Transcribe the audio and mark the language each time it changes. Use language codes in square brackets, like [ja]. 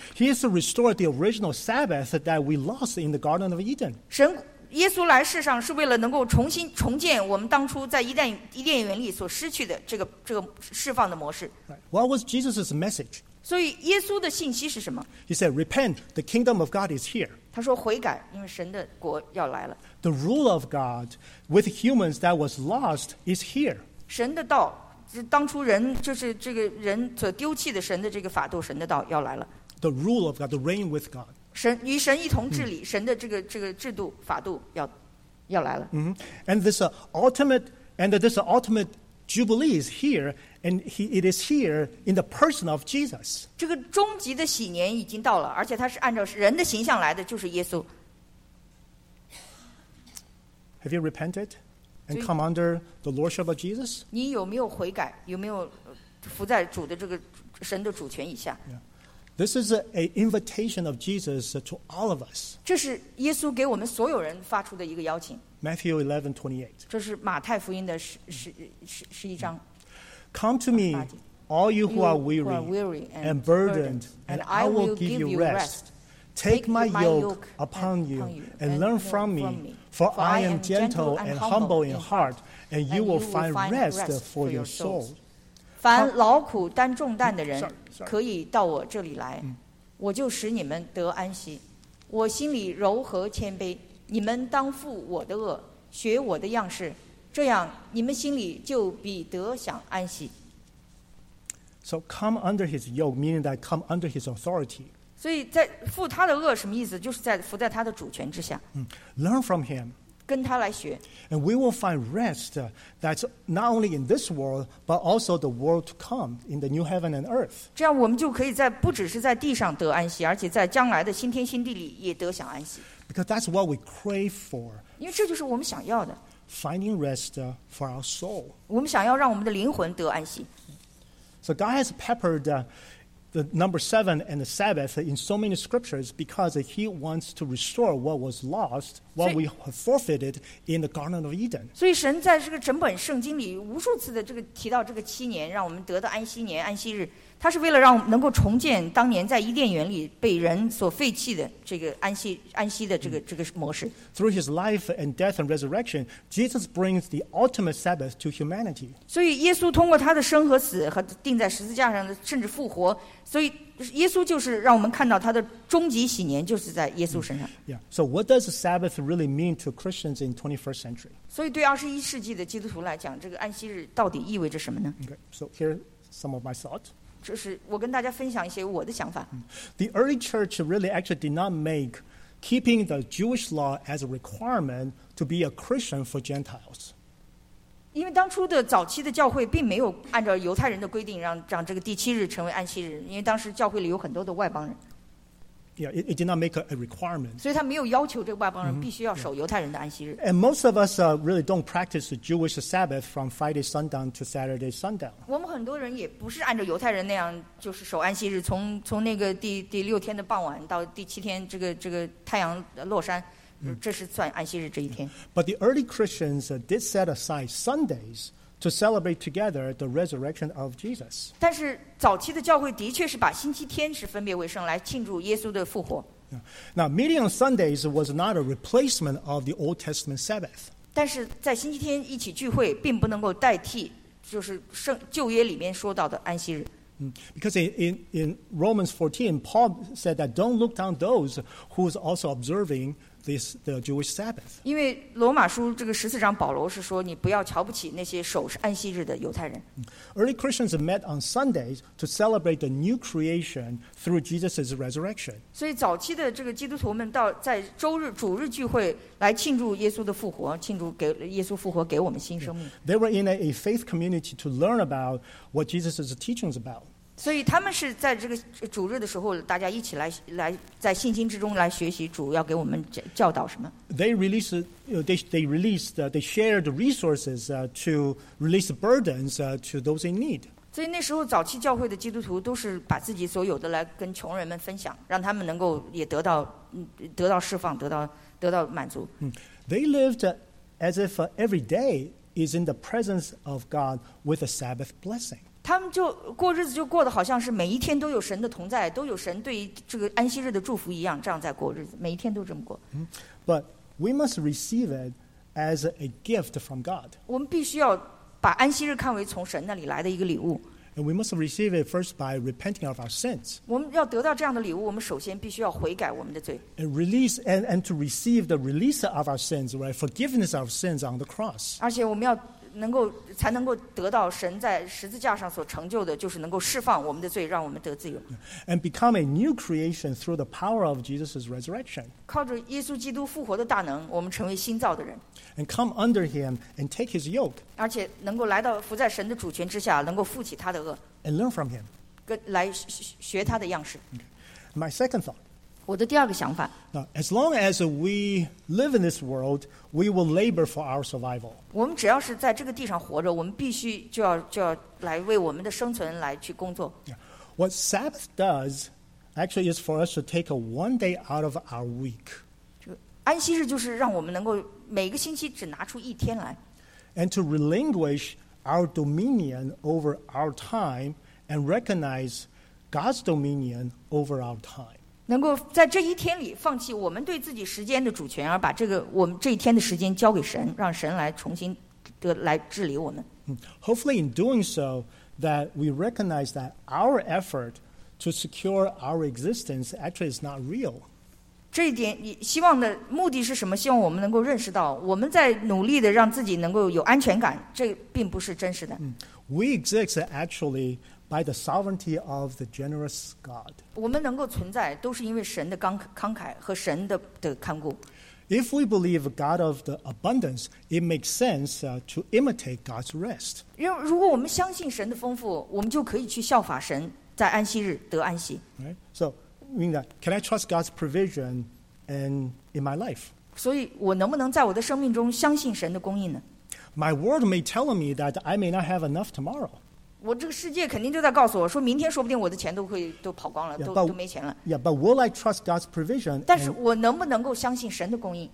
[en] He is to restore the original Sabbath that we lost in the Garden of Eden. [zh] 神耶稣来世上是为了能够重新重建我们当初在伊甸园里所失去的这个释放的模式。 [en] What was Jesus' message? [zh] 所以耶稣的信息是什么？ [en] He said, "Repent, the kingdom of God is here." [zh] 他说悔改，因为神的国要来了。 [en] The rule of God with humans that was lost is here. [zh] 神的道，当初人就是这个人所丢弃的神的这个法度，神的道要来了。 [en] The rule of God, the reign with God. [zh] 神与神一同治理，神的这个制度法度要来了。 [en] And this ultimate jubilee is here, and it is here in the person of Jesus. [zh] 这个终极的喜年已经到了，而且他是按照人的形象来的，就是耶稣。 [en] Have you repented and come under the lordship of Jesus? [zh] 你有没有悔改？有没有服在主的这个神的主权以下？ [en] Yeah. This is an invitation of Jesus to all of us. [zh] 这是耶稣给我们所有人发出的一个邀请。 [en] Matthew 11:28. [zh] 这是马太福音的十一章。 [en] Come to me, all you who are weary and burdened, and I will give you rest. Take my yoke upon you and learn from me, for I am gentle and humble in heart, and you will find rest for your souls. [zh] 凡劳苦担重担的人可以到我这里来，我就使你们得安息。我心里柔和谦卑，你们当负我的轭，学我的样式，这样你们心里就必得享安息。 [en] So come under his yoke, meaning that come under his authority. [zh] 所以在负他的轭什么意思，就是在服在他的主权之下。 [en] Learn from him. [zh] 跟他来学。 [en] And we will find rest that's not only in this world, but also the world to come in the new heaven and earth. [zh] 这样我们就可以在不只是在地上得安息，而且在将来的新天新地里也得享安息。 [en] Because that's what we crave for. [zh] 因为这就是我们想要的。 [en] finding rest for our soul. [zh] 我们想要让我们的灵魂得安息。 [en] So God has peppered the number seven and the Sabbath in so many scriptures because he wants to restore what was lost, what we have forfeited in the Garden of Eden. [zh] 所以神在这个整本圣经里无数次的这个提到这个七年，让我们得的安息年、安息日，他是为了让我们能够重建当年在伊甸园里被人所废弃的这个安息的这个模式。 [en] Through his life and death and resurrection, Jesus brings the ultimate Sabbath to humanity. [zh] 所以耶稣通过他的生和死和钉在十字架上的甚至复活，所以耶稣就是让我们看到他的终极禧年就是在耶稣身上。 [en] Yeah. So what does the Sabbath really mean to Christians in 21st century? [zh] 所以对二十一世纪的基督徒来讲，这个安息日到底意味着什么呢？ [en] Okay. So here are some of my thoughts. [zh] 就是我跟大家分享一些我的想法。 [en] The early church really actually did not make keeping the Jewish law as a requirement to be a Christian for Gentiles. [zh] 因为当初的早期的教会并没有按照犹太人的规定让这个第七日成为安息日，因为当时教会里有很多的外邦人。 [en] Yeah, it did not make a requirement. [zh] 所以他没有要求这个外邦人必须要守犹太人的安息日。 [en] And most of us really don't practice the Jewish Sabbath from Friday sundown to Saturday sundown. [zh] 我们很多人也不是按照犹太人那样就是守安息日，从那个第六天的傍晚到第七天这个太阳落山，这是算安息日这一天。 [en] But the early Christians did set aside Sundays. To celebrate together the resurrection of Jesus. [zh] 但是早期的教会的确是把星期天是分别为圣来庆祝耶稣的复活。 [en] Now, meeting on Sundays was not a replacement of the Old Testament Sabbath. [zh] 但是在星期天一起聚会并不能够代替就是旧约里面说到的安息日。 [en] Because in Romans 14, Paul said that don't look down those who is also observing the Jewish Sabbath. [zh] 因为罗马书这个十四章保罗是说你不要瞧不起那些守安息日的犹太人。 [en] Early Christians met on Sundays to celebrate the new creation through Jesus' resurrection. [zh] 所以早期的这个基督徒们到在周日主日聚会来庆祝耶稣的复活，庆祝给耶稣复活给我们新生命。 [en] They were in a faith community to learn about what Jesus' teachings about. [zh] 所以他们是在这个主日的时候，大家一起来在信心之中来学习主要给我们教导什么。 [en] They shared resources to release burdens to those in need. [zh] 所以那时候早期教会的基督徒都是把自己所有的来跟穷人们分享，让他们能够也得到释放，得到满足。 [en] They lived as if every day is in the presence of God with a Sabbath blessing. [zh] 他们就过日子就过得好像是每一天都有神的同在，都有神对这个安息日的祝福一样，这样在过日子，每一天都这么过。 [en] But we must receive it as a gift from God. [zh] 我们必须要把安息日看为从神那里来的一个礼物。 [en] And we must receive it first by repenting of our sins. [zh] 我们要得到这样的礼物，我们首先必须要悔改我们的罪。 [en] And to receive the release of our sins, right? Forgiveness of sins on the cross. [zh] 而且我们要能够才能够得到神在十字架上所成就的，就是能够释放我们的罪，让我们得自由。 [en] And become a new creation through the power of Jesus' resurrection. [zh] 靠着耶稣基督复活的大能，我们成为新造的人。 [en] And come under him and take his yoke. [zh] 而且能够来到伏在神的主权之下，能够负起他的轭。 [en] And learn from him. [zh] 来学他的样式。 [en] Okay. My second thought. [zh] 我的第二个想法。 [en] Now, as long as we live in this world, we will labor for our survival. [zh] 我们只要是在这个地上活着，我们必须就要来为我们的生存来去工作。 [en] Yeah. What Sabbath does actually is for us to take one day out of our week. [zh] 这安息日就是让我们能够每个星期只拿出一天来。 [en] And to relinquish our dominion over our time and recognize God's dominion over our time. [zh] 能够在这一天里放弃我们对自己时间的主权，而把这个我们这一天的时间交给神，让神来重新来治理我们。 [en] Hopefully, in doing so, that we recognize that our effort to secure our existence actually is not real. [zh] 这一点，希望的目的是什么？希望我们能够认识到，我们在努力的让自己能够有安全感，这并不是真实的。 [en] We exist actually. By the sovereignty of the generous God. [zh] 我们能够存在都是因为神的慷慨和神的看顾。 [en] If we believe God of the abundance, it makes sense to imitate God's rest. [zh] 如果我们相信神的丰富，我们就可以去效法神在安息日得安息。 [en] Right? So, can I trust God's provision in my life? [zh] 所以我能不能在我的生命中相信神的供应呢？ [en] My world may tell me that I may not have enough tomorrow. [zh] 我这个世界肯定就在告诉我说明天说不定我的钱都会都跑光了 都没钱了。 [en] Yeah, but will I trust God's provision? [zh] 但是我能不能够相信神的供应？